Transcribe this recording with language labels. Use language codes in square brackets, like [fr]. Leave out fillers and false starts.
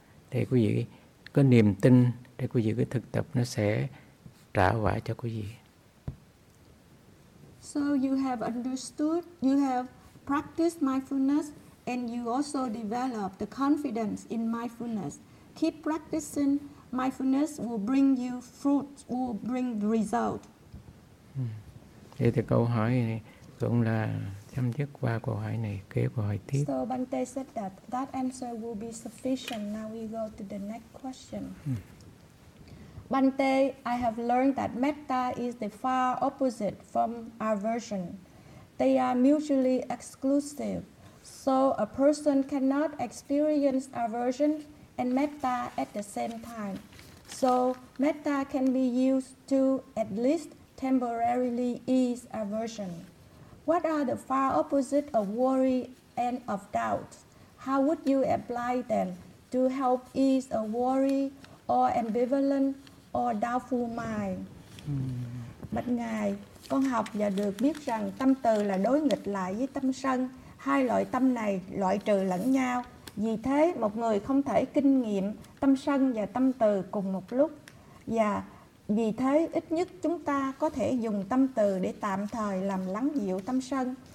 [vi] Thì quý vị có niềm tin để quý vị cứ thực tập nó sẽ trả quả cho quý vị. [en] So you have understood, you have practiced mindfulness and you also develop the confidence in mindfulness. Keep practicing mindfulness will bring you fruit, will bring the result. [vi] Vậy thì câu hỏi này cũng là chấm dứt qua câu hỏi này, kế câu hỏi tiếp. [en] So Bhante said that that answer will be sufficient. Now we go to the next question. Bhante, I have learned that metta is the far opposite from aversion. They are mutually exclusive. So a person cannot experience aversion and metta at the same time. So metta can be used to at least temporarily ease aversion. What are the far opposite of worry and of doubt? How would you apply them to help ease a worry or ambivalent or doubtful mind? [vi] Bất ngài, con học và được biết rằng tâm từ là đối nghịch lại với tâm sân. Hai loại tâm này loại trừ lẫn nhau. Vì thế, một người không thể kinh nghiệm tâm sân và tâm từ cùng một lúc. Và vì thế, ít nhất chúng ta có thể dùng tâm từ để tạm thời làm lắng dịu tâm sân.